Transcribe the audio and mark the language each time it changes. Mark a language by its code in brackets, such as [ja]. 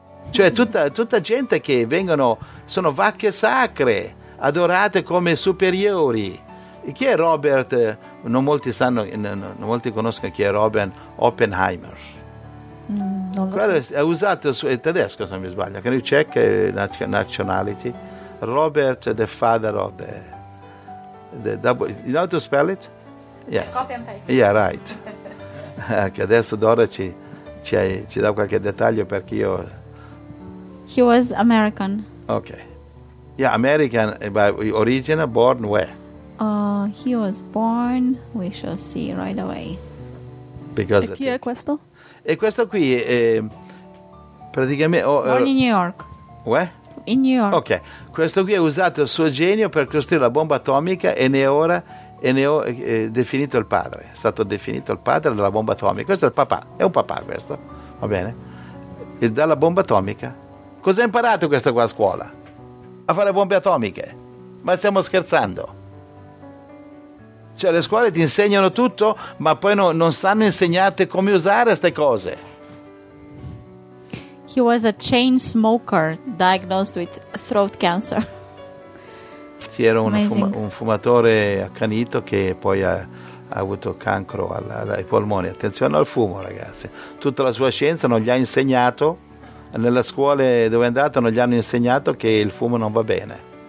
[it] Cioè tutta gente che vengono, sono vacche sacre, adorate come superiori. E chi è Robert? Non molti sanno, non molti conoscono chi è Robert Oppenheimer. Non lo so. Ha usato il tedesco, se non mi sbaglio, che lui cerca nationality. [en] Robert, the father of the double, you know how to spell it? Yes. Copy and paste. Yeah, right. [it] Che adesso Dora ci dà qualche dettaglio, perché io... [en] He was American. Okay. Yeah, American, by origin, born where? He was born, we shall see right away. Because [it] e chi è questo? E questo qui è praticamente... Oh, [en] born in New York. Where? In New York. [it] Ok, questo qui ha usato il suo genio per costruire la bomba atomica e ne ora è definito il padre. È stato definito il padre della bomba atomica. Questo è il papà, è un papà questo, va bene? E dalla bomba atomica. Cos'ha imparato questo qua a scuola? A fare bombe atomiche? Ma stiamo scherzando? Cioè le scuole ti insegnano tutto, ma poi non sanno insegnarti come usare queste cose. [en] He was a chain smoker diagnosed with throat cancer. [it] Sì, era un fumatore accanito che poi ha avuto cancro ai polmoni. Attenzione al fumo, ragazzi. Tutta la sua scienza non gli ha insegnato, nella scuola dove è andato non gli hanno insegnato che il fumo non va bene.